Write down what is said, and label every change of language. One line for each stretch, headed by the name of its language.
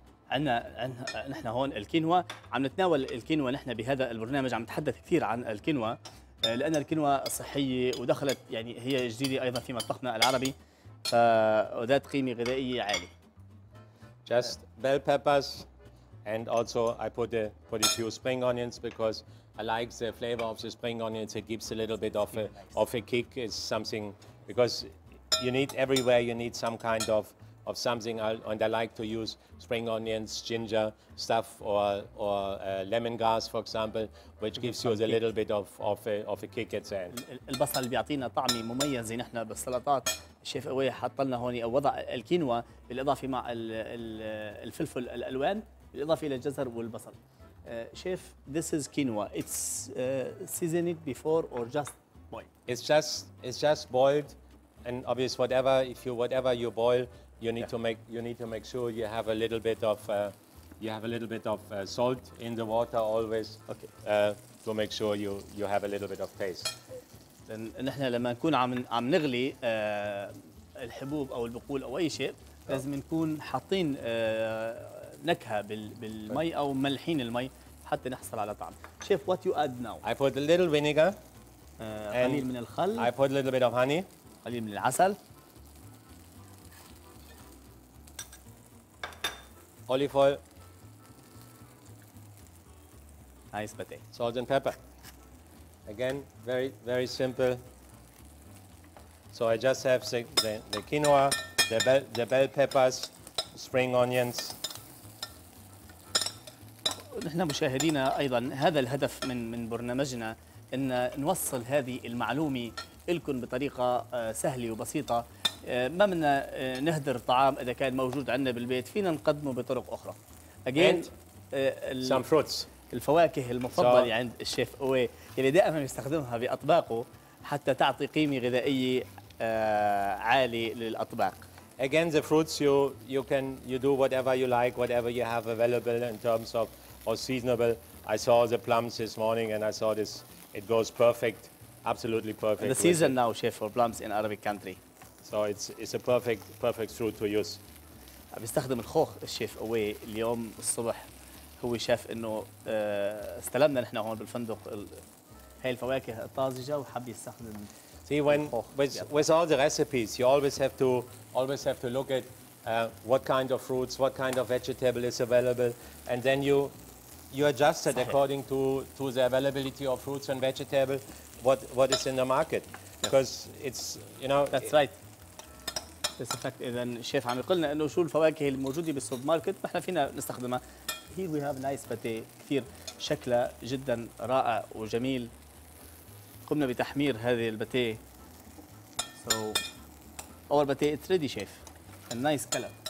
Arabic: عنا نحن هون الكينوا عم نتناول الكينوا نحن بهذا البرنامج عم نتحدث كثير عن الكينوا لأن الكينوا صحية ودخلت يعني هي جديدة أيضا في مطبخنا العربي فذات قيمة غذائية عالية.
English: Just bell peppers and also I put a few spring onions because I like the flavor of the spring onions. It gives a little bit of a kick. It's something because you need everywhere you need some kind of something, and I like to use spring onions, ginger stuff, or lemongrass, for example, which gives you a little bit of a kick at the end.
Arabic: البصل بيعطينا طعم مميز نحن بالسلطات. شيف قوي حط لنا هون وضع الكينوا بالإضافة مع الفلفل الألوان بالإضافة إلى الجزر والبصل.
English: Chef, this is quinoa. It's season it before or just boiled? It's just boiled, and obviously whatever you boil. You need to make sure you have a little bit of salt in the water always to make sure you have a little bit of taste. Then
Arabic: نحن لما نكون عم نغلي الحبوب أو البقول أو أي شيء لازم نكون حاطين نكهة بالمي أو ملحين المي حتى نحصل على طعم.
English: Chef, what you add now? I put a little vinegar.
Arabic: قليل من الخل.
English: I put a little bit of honey.
Arabic: قليل من العسل.
English: Olive oil, nice pate. Salt and pepper. Again, very very simple. So I just have the quinoa, the bell peppers, spring onions.
Arabic: نحن مشاهدينا أيضا هذا الهدف من برنامجنا إن نوصل هذه المعلومة لكم بطريقة سهلة وبسيطة. ما منا نهدر طعام إذا كان موجود عندنا بالبيت فينا نقدمه بطرق أخرى.
English: Again, some fruits.
Arabic: الفواكه المفضلة عند الشيف أوي اللي دائما يستخدمها بأطباقه حتى تعطي قيمة غذائية عالية للأطباق.
English: Again, the fruits you do whatever you like, whatever you have available in terms of or seasonable. I saw the plums this morning and I saw this. It goes perfect, absolutely perfect. The season now, chef, for plums in Arabic country. So it's a perfect fruit to use.
Arabic: بيستخدم الخوخ الشيف أوي اليوم الصبح هو شاف إنه استلمنا نحن هون بالفندق هاي الفواكه الطازجة وحب يستخدم.
English: See when with all the recipes, you always have to look at what kind of fruits, what kind of vegetable is available, and then you adjust it according to the availability of fruits and vegetable, what is in the market, because it's you know. That's right.
Arabic: بالفعل اذا الشيف عم يقول لنا انه شو الفواكه الموجوده بالسوبر ماركت ما احنا فينا نستخدمها.
English: هي we have nice patty
Arabic: كثير شكلها جدا رائع وجميل. قمنا بتحمير هذه الباتي.
English: So our patty it's ready chef. النايس colour.